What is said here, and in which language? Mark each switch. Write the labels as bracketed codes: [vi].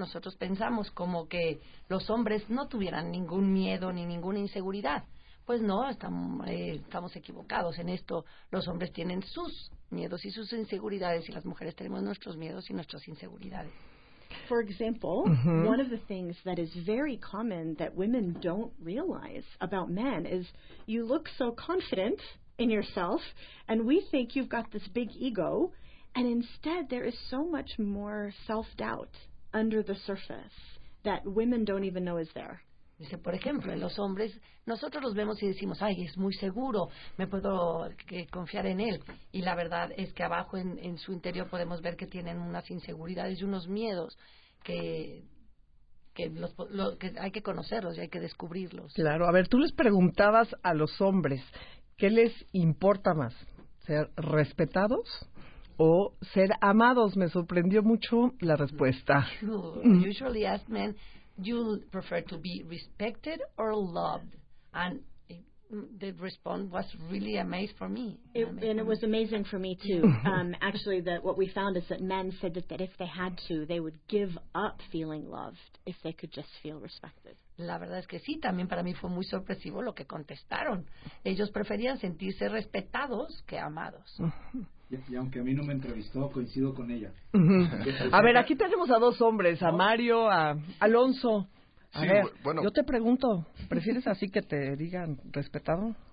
[es] Nosotros pensamos como que los hombres no tuvieran ningún miedo ni ninguna inseguridad. Pues no, estamos equivocados en esto. Los hombres tienen sus miedos y sus inseguridades, y las mujeres tenemos nuestros miedos y nuestras inseguridades. [en] For example, mm-hmm. One of the things that is very common that women don't realize about men is you look so confident in yourself, and we think you've got this big ego, and instead there is so much more self-doubt under the surface that women don't even know is there. [es] Dice, por ejemplo, los hombres, nosotros los vemos y decimos, ay, es muy seguro, me puedo confiar en él. Y la verdad es que abajo en su interior podemos ver que tienen unas inseguridades y unos miedos que hay que conocerlos y hay que descubrirlos. Claro, a ver, tú les preguntabas a los hombres, ¿qué les importa más? ¿Ser respetados o ser amados? Me sorprendió mucho la respuesta. [en] Usually ask men, you prefer to be respected or loved? And the response was really amazing for me. It was amazing for me too. Actually, that what we found is that men said that if they had to, they would give up feeling loved if they could just feel respected. [es] La verdad es que sí, también para mí fue muy sorpresivo lo que contestaron. Ellos preferían sentirse respetados que amados. Y aunque a mí no me entrevistó, coincido con ella. Uh-huh. A ver, aquí tenemos a dos hombres, a Mario, a Alonso. A ver, bueno, yo te pregunto, ¿prefieres así que te digan respetado?